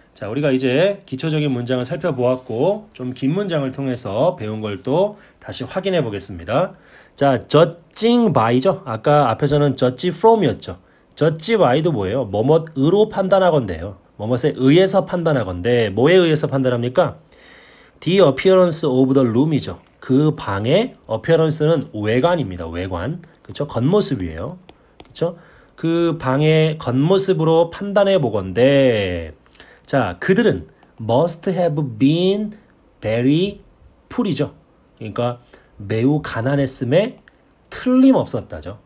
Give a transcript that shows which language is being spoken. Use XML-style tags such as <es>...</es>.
<ko>자, 우리가 이제 기초적인 문장을 살펴보았고, 좀긴 문장을 통해서 배운 걸또 다시 확인해 보겠습니다. 자, judging by죠. 아까 앞에서는 judge from이었죠. judge by도 뭐예요? 뭐뭇으로 판단하건대요. 뭐뭇에 의해서 판단하건대, 뭐에 의해서 판단합니까?</ko> <en>The appearance of the room이죠.</en> <ko>그 방의 appearance는 외관입니다. 외관. 그쵸? 겉모습이에요. 그쵸? 그 방의 겉모습으로 판단해 보건대, 자, 그들은</ko> <en>must have been very poor</en> <ko>이죠. 그러니까 매우 가난했음에 틀림없었다죠.</ko>